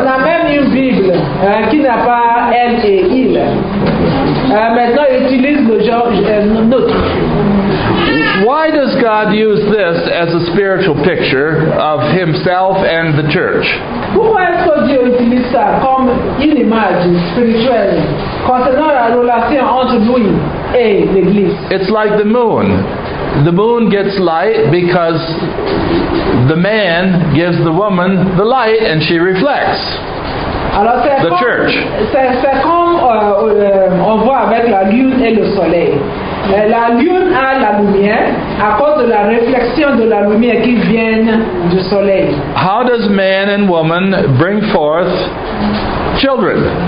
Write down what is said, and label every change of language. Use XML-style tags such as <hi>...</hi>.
<fr>On a même une Bible qui n'a pas elle et il. Maintenant, ils utilisent le genre neutre.</fr> <en>Why does God use this as a spiritual picture of Himself and the church?</en> <fr>Pourquoi est-ce que Dieu utilise ça comme une image spirituelle concernant la relation entre lui et l'Église?</fr> <en>It's like the moon. The moon gets light because the man gives the woman the light and she reflects.</en> <fr>Alors, c'est</fr> <en>the church.</en> <fr>C'est comme on voit avec la lune et le soleil. La lune a la lumière à cause de la réflexion de la lumière qui vient du soleil.</fr> <en>How does man and woman bring forth children?</en>